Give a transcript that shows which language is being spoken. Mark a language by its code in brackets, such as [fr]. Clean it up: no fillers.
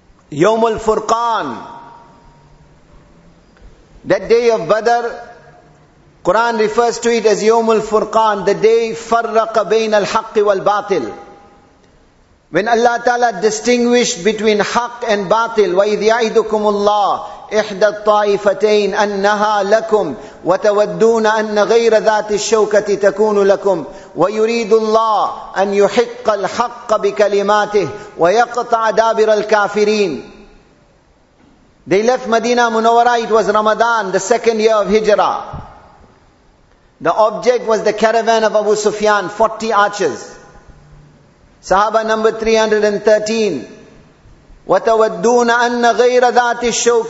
[en] Yawm al-Furqan. That day of Badr, Quran refers to it as Yawm al-Furqan, the day [ar] farraqa bayna al-haqq wal-batil. [en] When Allah Ta'ala distinguished between haqq and batil, [ar] وَإِذْ يَعِدُكُمُ اللَّهِ إحدى الطائفتين أنها لكم وتودون أن غير ذات الشوكة تكون لكم ويريد الله أن يحق الحق بكلماته ويقطع دابر الكافرين. [en] They left Medina Munawwara. It was Ramadan, the second year of Hijrah. The object was the caravan of Abu Sufyan, 40 archers. Sahaba number 313. [ar] وَتَوَدُّونَ أَنَّ غَيْرَ ذَاتِ الشَّوْكَ.